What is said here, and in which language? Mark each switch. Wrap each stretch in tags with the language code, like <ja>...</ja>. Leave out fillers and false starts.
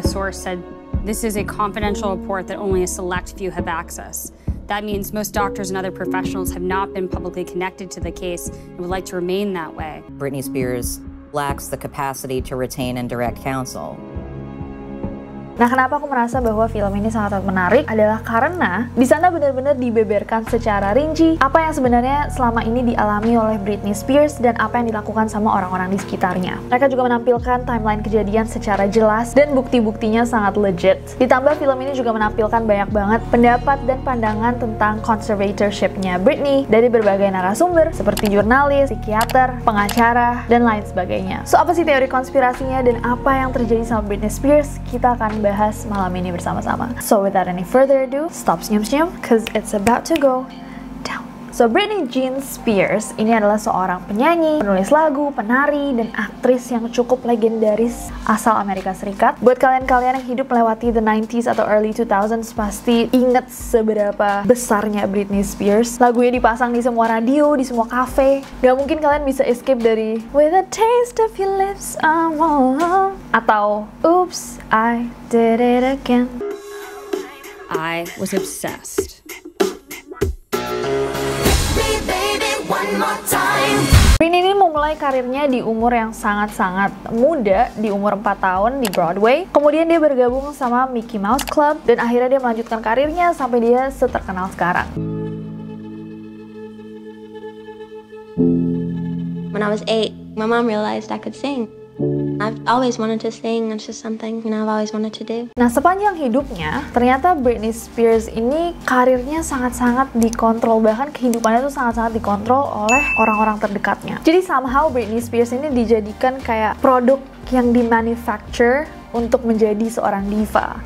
<en>Said this is a confidential report that only a select few have access. That means most doctors and other professionals have not been publicly connected to the case and would like to remain that way. Britney Spears lacks the capacity to retain and direct counsel.</en> <id>Nah, kenapa aku merasa bahwa film ini sangat menarik adalah karena di sana benar-benar dibeberkan secara rinci apa yang sebenarnya selama ini dialami oleh Britney Spears dan apa yang dilakukan sama orang-orang di sekitarnya. Mereka juga menampilkan timeline kejadian secara jelas dan bukti-buktinya sangat legit. Ditambah film ini juga menampilkan banyak banget pendapat dan pandangan tentang conservatorship-nya Britney dari berbagai narasumber seperti jurnalis, psikiater, pengacara, dan lain sebagainya. So, apa sih teori konspirasinya dan apa yang terjadi sama Britney Spears? Kita akan bahas malam ini bersama-sama.</id> <en>So without any further ado, stop</en> <id>senyum-senyum,</id> <en>cause it's about to go down.</en> <id>So Britney Jean Spears ini adalah seorang penyanyi, penulis lagu, penari, dan aktris yang cukup legendaris asal Amerika Serikat. Buat kalian-kalian yang hidup melewati</id> <en>the 90s</en> <id>atau</id> <en>early 2000s</en> <id>pasti inget seberapa besarnya Britney Spears. Lagunya dipasang di semua radio, di semua kafe. Gak mungkin kalian bisa escape dari</id> <en>With a taste of your lips I'm all alone</en> <id>atau</id> <en>Oops, I did it again. I was obsessed.</en> <id>Britney ini memulai karirnya di umur yang sangat-sangat muda, di umur 4 tahun di Broadway. Kemudian dia bergabung sama Mickey Mouse Club dan akhirnya dia melanjutkan karirnya sampai dia seterkenal sekarang.</id> <en>When I was 8, my mom realized I could sing. I've always wanted to sing, it's just something, you know, I've always wanted to do.</en> <id>Nah, sepanjang hidupnya, ternyata Britney Spears ini karirnya sangat-sangat dikontrol, bahkan kehidupannya tuh sangat-sangat dikontrol oleh orang-orang terdekatnya. Jadi somehow Britney Spears ini dijadikan kayak produk yang dimanufacture untuk menjadi seorang diva.</id>